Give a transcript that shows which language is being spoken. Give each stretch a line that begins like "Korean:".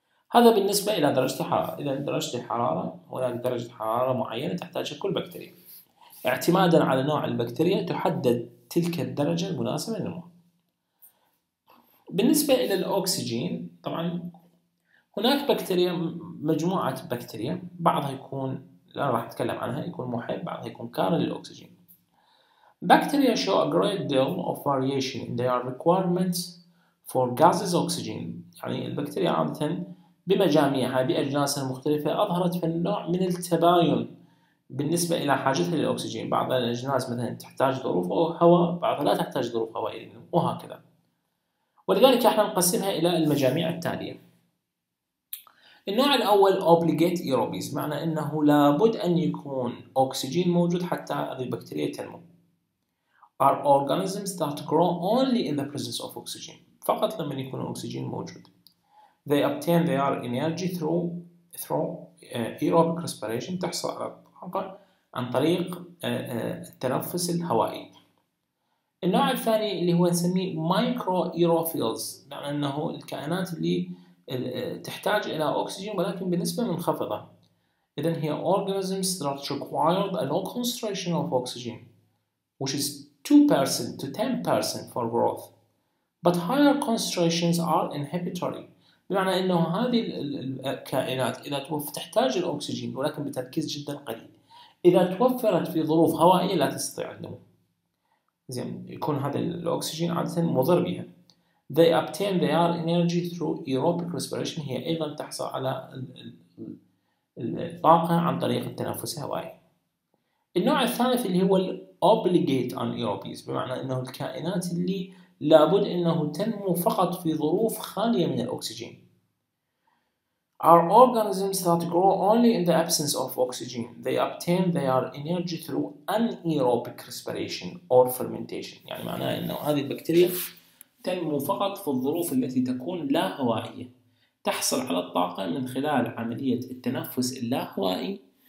Arabic: هذا بالنسبة إلى درجة الحرارة. إذا درجة الحرارة هناك درجة حرارة معينة تحتاجها كل بكتيريا، اعتمادا على نوع البكتيريا تحدد تلك الدرجة المناسبة للنمو. بالنسبة إلى الأكسجين، طبعا هناك بكتيريا، مجموعة بكتيريا، بعضها يكون، الآن راح أتكلم عنها، يكون محب، بعضها يكون كاره للأكسجين.
English: Bacteria show a great deal of variation in their requirements for gases oxygen.
Arabic: يعني البكتيريا عادة بمجاميعها بأجناسها المختلفة أظهرت في النوع من التباين بالنسبة إلى حاجتها للأكسجين. بعض الأجناس مثلا تحتاج ظروف هواء، بعضها لا تحتاج ظروف هواء، وهكذا. ولذلك احنا نقسمها إلى المجاميع التالية. النوع الأول obligate aerobies، معنى أنه لابد أن يكون أكسجين موجود حتى هذه البكتيريا تنمو.
English: Are organisms that grow only in the presence of oxygen،
Arabic: فقط لما يكون أكسجين موجود.
English: They obtain their energy through aerobic respiration،
Arabic: تحصل على الطاقة عن طريق التنفس الهوائي. النوع الثاني اللي هو نسميه micro aerophils، معنى أنه الكائنات اللي تحتاج إلى أكسجين ولكن بنسبة منخفضة. إذن هي
English: organisms that required a low concentration of oxygen which is 2% to 10% for growth but higher concentrations are inhibitory،
Arabic: بمعنى انه هذه الكائنات اذا تحتاج الاكسجين ولكن بتركيز جدا قليل، اذا توفرت في ظروف هوائيه لا تستطيع النمو. زين، يكون هذا الاكسجين عاده مضر بها.
English: They obtain their energy through aerobic respiration،
Arabic: هي ايضا تحصل على الطاقه عن طريق التنفس الهوائي. النوع الثالث اللي هو obligate anaerobes، بمعنى انه الكائنات اللي لابد انه تنمو فقط في ظروف خاليه من الاكسجين.
English: Our organisms that grow only in the absence of oxygen, they obtain their energy through anaerobic respiration or fermentation.
Arabic: يعني معناه انه هذه البكتيريا تنمو فقط في الظروف التي تكون لا هوائيه، تحصل على الطاقه من خلال عمليه التنفس اللاهوائي